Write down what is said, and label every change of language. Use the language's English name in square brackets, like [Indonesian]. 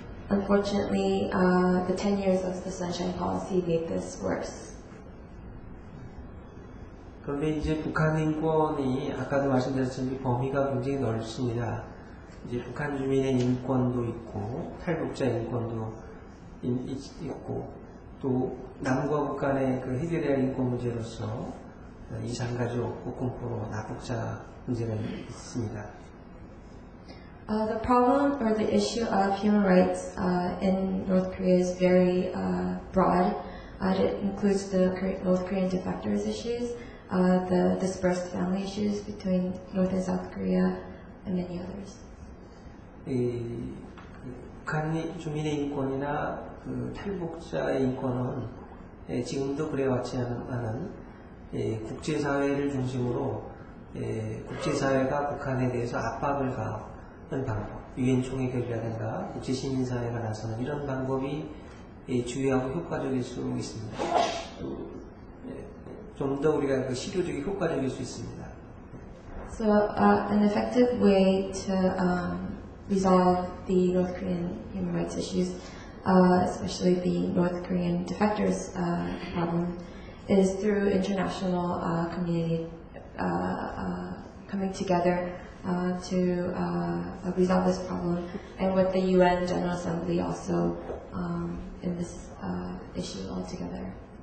[English] Unfortunately, the 10 years of the Sunshine Policy made this worse. [Korean] 그런데 이제 북한 인권이 아까도 말씀드렸듯이 범위가 굉장히 넓습니다. 이제 북한 주민의 인권도 있고 탈북자 인권도 있고 또 남과 북 간의 그 해결해야 할 인권 문제로서 이산가족, 북공포로 납북자 문제가 있습니다. [English] The problem or the issue of human rights in North Korea is very broad. It includes the North Korean defectors issues, the dispersed family issues between North and South Korea, and many others. [Korean] 이 북한 주민의 인권이나 그 탈북자의 인권은 지금도 그래왔지 않은 국제사회를 중심으로 국제사회가 북한에 대해서 압박을 가하는 방법, 유엔 총회 결의라든가 국제시민사회가 나서는 이런 방법이 주요하고 효과적일 수 있습니다. 좀 더 우리가 그 실효적이 효과적일 수 있습니다. [English] So an effective way to resolve the North Korean human rights issues, especially the North Korean defectors problem, is through international community coming together to resolve this problem, and with the UN General Assembly also in this issue altogether.